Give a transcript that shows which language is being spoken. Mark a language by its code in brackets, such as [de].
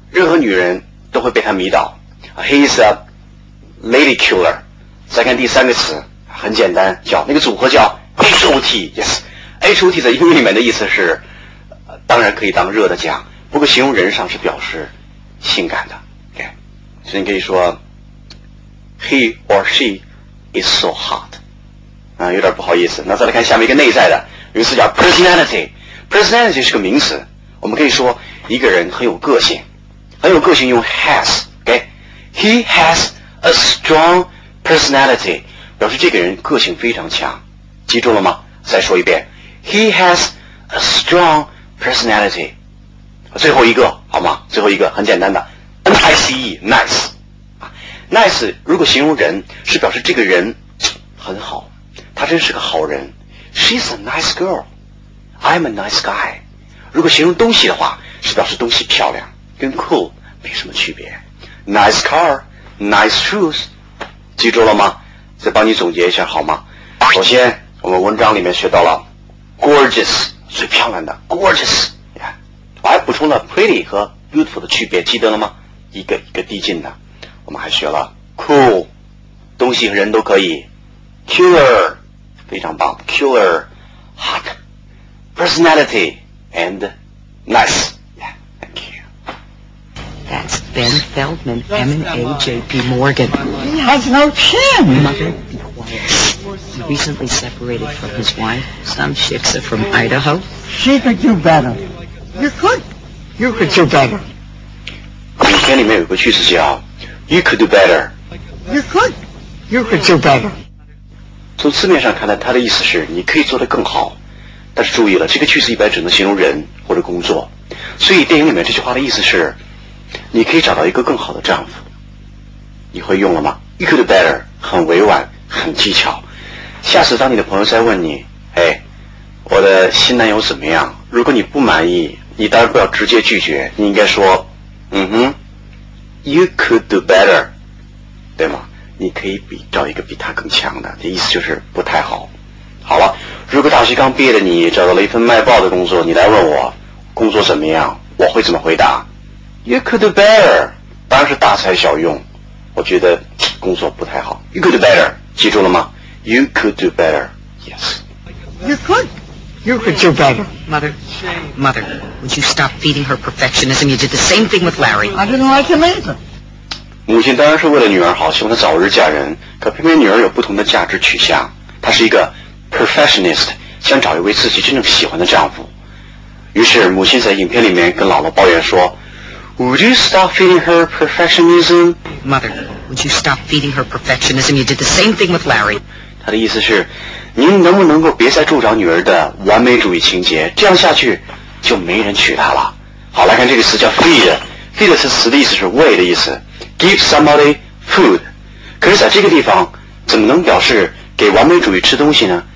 [zh] 任何女人都会被她迷倒。 [en] He is a lady killer。 [zh] 再看第三个词，很简单，叫那个组合叫 HOT。 Yes， HOT 在英语里面的意思是当然可以当热的讲，不过形容人上是表示性感的。 [en] OK， [zh] 所以你可以说 [en] He or she is so hot。 [zh] 有点不好意思。那再来看下面一个内在的名词叫 Personality。Personality 是个名词，我们可以说一个人很有个性，很有个性用 has。 OK， [en] He has a strongPersonality [zh] 表示这个人个性非常强，记住了吗？再说一遍 [en] He has a strong personality。 [zh] 最后一个好吗？最后一个很简单的 N-I-C-E Nice。Nice 如果形容人是表示这个人很好，他真是个好人， [en] She's a nice girl， I'm a nice guy。 [zh] 如果形容东西的话，是表示东西漂亮，跟 cool 没什么区别。 [en] Nice car， Nice shoes， [zh] 记住了吗？再帮你总结一下好吗？首先我们文章里面学到了 gorgeous， 最漂亮的 gorgeous、yeah. 我还补充了 pretty 和 beautiful 的区别，记得了吗？一个一个递进的。我们还学了 cool， 东西和人都可以， killer 非常棒， killer hot， personality and nice。 [en] That's Ben Feldman, M&AJP Morgan. He has no chin. Mother, be quiet. He recently separated from his wife. Some chicks are from Idaho. She could do better. You could. You could do better. [zh] 影片里面有个句子叫 [en] You could do better. You could. You could do better. [zh] 从字面上看来，它的意思是你可以做得更好。但是注意了，这个句子一般只能形容人或者工作。所以电影里面这句话的意思是你可以找到一个更好的丈夫，你会用了吗？ [en] You could do better [zh] 很委婉，很技巧。下次当你的朋友再问你，哎，我的新男友怎么样，如果你不满意，你当然不要直接拒绝，你应该说嗯哼， [en] You could do better， [zh] 对吗？你可以比找一个比他更强的，这意思就是不太好。好了，如果大学刚毕业的你找到了一份卖报的工作，你来问我工作怎么样，我会怎么回答？ [en] You could do better， [zh] 当然是大材小用，我觉得工作不太好。 [en] You could do better， [zh] 记住了吗？ [en] You could do better， yes。 You could do better。 Mother， Mother， would you stop feeding her perfectionism? You did the same thing with Larry. I didn't like him either。 [zh] 母亲当然是为了女儿好，希望她早日嫁人，可偏偏女儿有不同的价值取向，她是一个 perfectionist， 想找一位自己真正喜欢的丈夫。于是母亲在影片里面跟姥姥抱怨说， [en] Would you stop feeding her perfectionism? Mother, would you stop feeding her perfectionism? You did the same thing with Larry. [zh] 他的意思是，您能不能够别再助长女儿的完美主义情节，这样下去就没人娶她了。好，来看这个词叫 feed 是词的意思，是喂的意思， [en] give somebody food。 [zh] 可是在这个地方怎么能表示给完美主义吃东西呢？